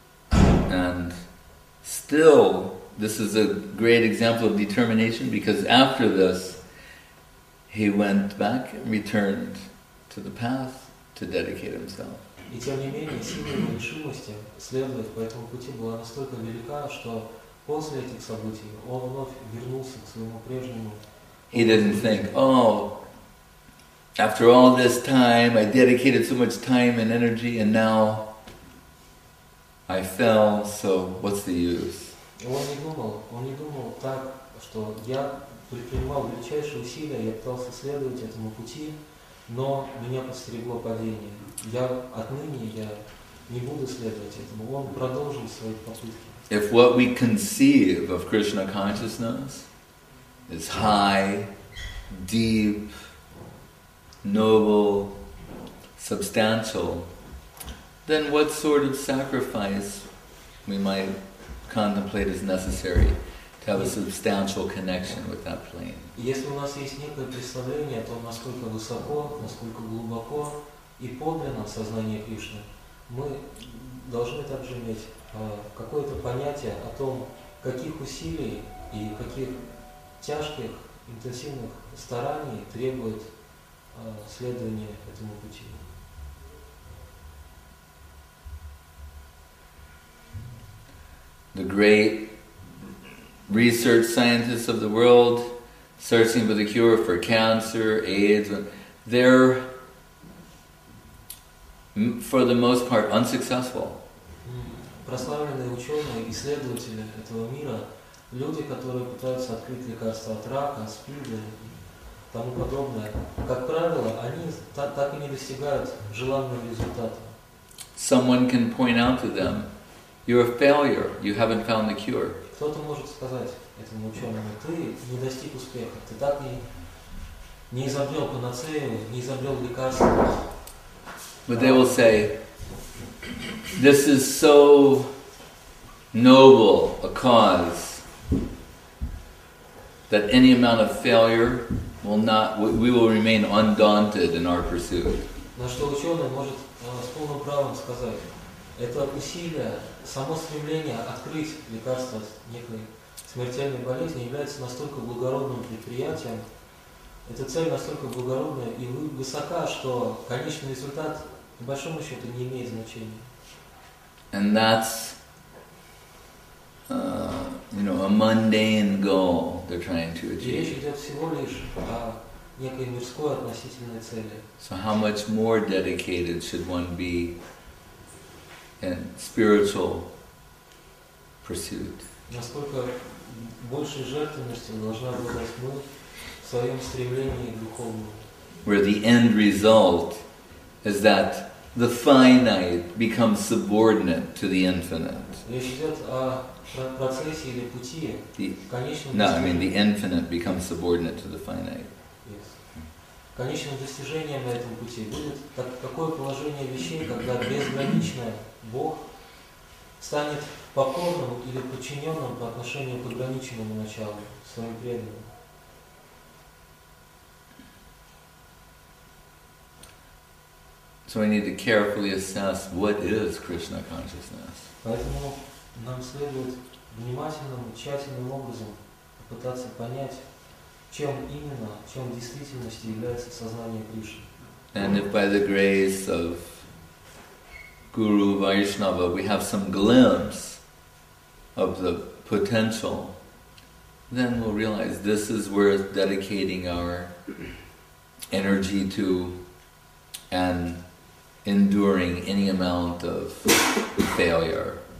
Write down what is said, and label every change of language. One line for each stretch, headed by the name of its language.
English: And still, this is a great example of determination, because after this, he went back and returned to the path to dedicate himself.
Russian: И тем не менее, сила его решимости следовать по этому пути была настолько велика, что после этих событий он вновь вернулся к своему прежнему.
English: He didn't think, oh, after all this time, I dedicated so much time and energy, and now I fell, so what's the use?
Russian: Он не думал так, что я предпринимал величайшие усилия, я пытался следовать этому пути, но меня подстерегло падение. Я отныне я не буду следовать этому. Он продолжил свои попытки.
English: If what we conceive of Krishna consciousness is high, deep, noble, substantial, then what sort of sacrifice we might contemplate as necessary to have a substantial connection with that plane?
Russian: Если у нас есть некое представление о том, насколько высоко, насколько глубоко и подлинно в сознании Кришны, мы должны также иметь какое-то понятие о том, каких усилий и каких тяжких, интенсивных стараний требует следование этому пути.
English: The great research scientists of the world searching for the cure for cancer, AIDS, they're for the most part unsuccessful.
Russian: Прославленные ученые, исследователи этого мира, люди, которые пытаются открыть лекарства от рака, СПИДа и тому подобное, как правило, они так и не достигают желанного результата.
English: Someone can point out to them, you're a failure, you haven't found the cure.
Russian: Кто-то может сказать этому ученому, ты не достиг успеха, ты так и не изобрел панацею, не изобрел лекарства.
English: But they will say, this is so noble a cause that any amount of failure will not, we will remain undaunted in our pursuit.
Russian: На что ученый может с полным правом сказать, это усилие, само стремление открыть лекарство некой смертельной болезни является настолько благородным предприятием, эта цель настолько благородная и высока, что конечный результат, по большому счету, не имеет значения.
English: And that's, you know, a mundane goal they're trying to achieve.
Russian: Речь идет всего лишь о некой мирской относительной цели.
English: So how much more dedicated should one be in spiritual pursuit?
Russian: Насколько больше жертвенности должна быть мы в своем стремлении к духовному?
English: Where the end result is that the finite becomes subordinate to the infinite.
Russian: Речь идет о процессе или пути.
English: No, I mean the infinite becomes subordinate to the finite.
Russian: Конечным достижением на этом пути будет такое положение вещей, когда безграничный Бог станет покорным или подчиненным по отношению к ограниченному началу, своим преданным.
English: So we need to carefully assess what is Krishna consciousness.
Russian: Поэтому нам следует внимательным, тщательным образом попытаться понять, чем именно, чем в действительности является сознание Кришны.
English: And if by the grace of Guru Vaishnava we have some glimpse of the potential, then we'll realize this is worth dedicating our energy to and enduring any amount of failure.